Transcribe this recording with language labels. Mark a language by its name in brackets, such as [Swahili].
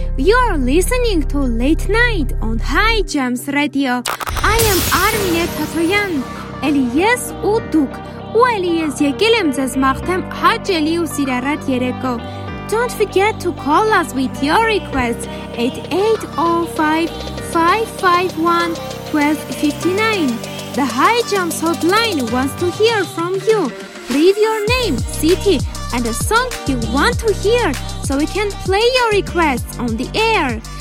[English] You are listening to Late Night on High Jams Radio. I am Armine Tatoyan. Elias Uduk. [Armenian] Ու Elias եկելեմ ձեզ մաղթեմ հաճելի ու սիրառատ երեկո. [English] Don't forget to call us with your requests at 805-551-1259. The High Jams hotline wants to hear from you. Leave your name, city, and a song you want to hear so we can play your requests on the air.